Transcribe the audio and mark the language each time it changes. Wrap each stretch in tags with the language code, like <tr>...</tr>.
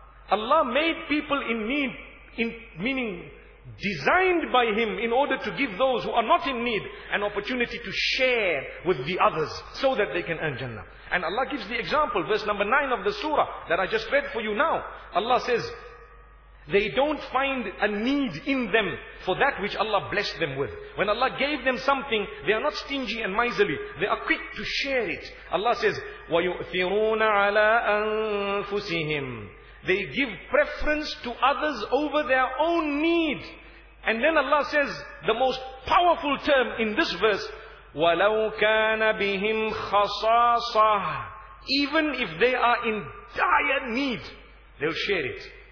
<en>Allah made people in need, meaning designed by Him in order to give those who are not in need an opportunity to share with the others so that they can earn Jannah. And Allah gives the example, verse number 9 of the surah that I just read for you now. Allah says, they don't find a need in them for that which Allah blessed them with. When Allah gave them something, they are not stingy and miserly. They are quick to share it. Allah says,</en> <ar>وَيُؤْثِرُونَ عَلَىٰ أَنفُسِهِمْ.</ar> <en>They give preference to others over their own need. And then Allah says, the most powerful term in this verse,</en> <ar>وَلَوْ كَانَ بِهِمْ خَصَاصَةً.</ar> <en>Even if they are in dire need, they'll share it.</en>